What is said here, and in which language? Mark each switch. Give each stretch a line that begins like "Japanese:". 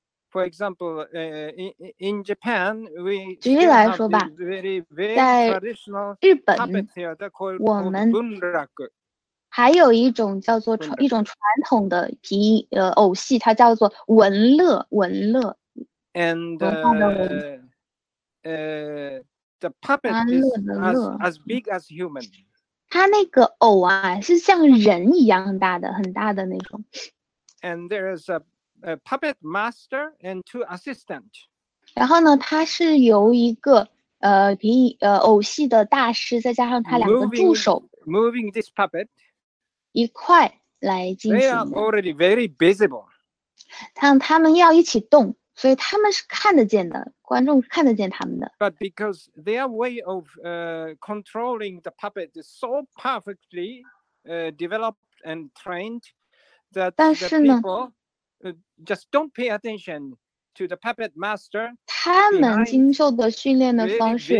English: For example, in Japan, we
Chinese: 举例来说吧，在日本，我们还有一种叫做一种传统的皮偶戏，它叫做文乐。
English: And the puppet is as big as human.
Chinese: 它那个藕啊，是像人一样大的，很大的那种。
English: And there is a puppet master and two assistants.
Chinese: 然后呢，它是由一个偶戏的大师，再加上他两个助手
English: moving this puppet
Chinese: 一块来进行的。
English: They are already very visible.
Chinese: 他们要一起动，所以他们是看得见的，观众看得见他们的。
English: But because their way of controlling the puppet is so perfectly developed and trained, that the people just don't pay attention to the puppet master.
Chinese: 他们经受的训练的方式